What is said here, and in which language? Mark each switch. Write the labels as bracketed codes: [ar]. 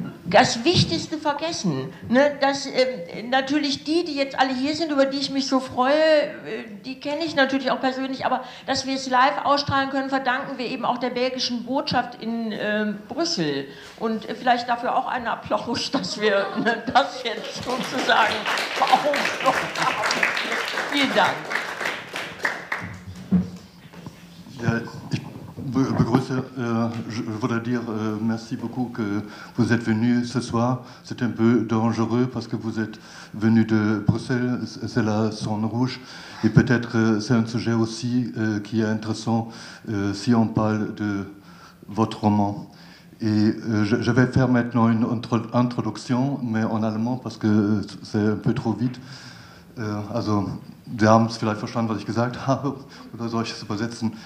[de] Das Wichtigste vergessen, ne, dass natürlich die jetzt alle hier sind, über die ich mich so freue, die kenne ich natürlich auch persönlich, aber dass wir es live ausstrahlen können, verdanken wir eben auch der belgischen Botschaft in Brüssel. Und vielleicht dafür auch einen Applaus, dass wir das jetzt sozusagen aufgenommen haben. Vielen Dank. Ja. [fr] Je begrüße, je voudrais dire merci beaucoup que vous êtes venu ce soir. C'est un peu dangereux parce que vous êtes venu de Bruxelles, c'est la zone rouge. Et peut-être c'est un sujet aussi qui est intéressant si on parle de votre roman. Et je vais faire maintenant une introduction, mais en allemand parce que c'est un peu trop vite. [de] Also, Sie haben es vielleicht verstanden, was ich gesagt habe, oder soll ich es übersetzen?